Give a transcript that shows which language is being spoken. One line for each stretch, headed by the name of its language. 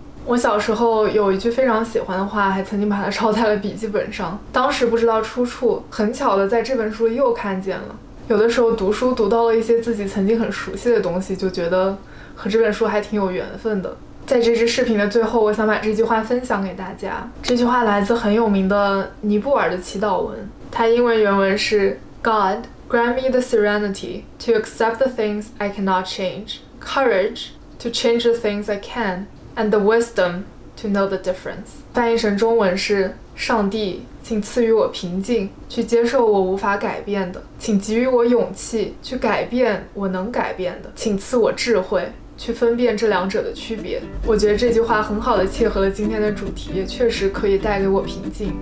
Chinese: 我小时候有一句非常喜欢的话，还曾经把它抄在了笔记本上，当时不知道出处，很巧的在这本书里又看见了。有的时候读书读到了一些自己曾经很熟悉的东西，就觉得和这本书还挺有缘分的。在这支视频的最后，我想把这句话分享给大家。这句话来自很有名的尼布尔的祈祷文，它英文原文是
English: God, grant me the serenity to accept the things I cannot change, courage to change the things I can, and the wisdom to know the difference.
Chinese: 翻译成中文是，上帝，请赐予我平静，去接受我无法改变的，请给予我勇气，去改变我能改变的，请赐我智慧，去分辨这两者的区别。我觉得这句话很好的切合了今天的主题，也确实可以带给我平静。